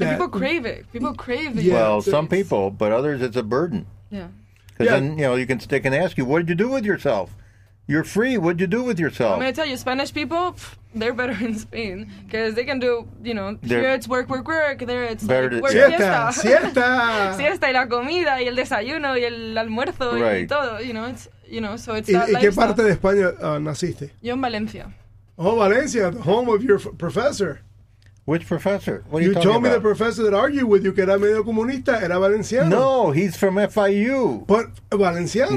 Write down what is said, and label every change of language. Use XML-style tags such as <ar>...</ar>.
<en>And people crave it. People crave it. Well, some people, but others, it's a burden. Yeah. Then, you know, you can stick and ask you, what did you do with yourself? You're free. What did you do with yourself? I'm going to tell you, Spanish people, they're better in Spain because they can do, you know, here it's work, work, work. There it's better like, to, work, siesta. Siesta.</en> <es>Siesta y la comida y el desayuno y el almuerzo</es> <en>right.</en> <es>y todo.</es> <en>You know, it's, you know, so it's that</en> <es>¿Y qué parte de España naciste? Yo en Valencia.</es> <en>Oh, Valencia, the home of your professor. Which professor? What are you talking about? You told me the professor that argued with you</en> <es>que era medio comunista, era valenciano.</es> <en>No, he's from FIU. But valenciano?</en>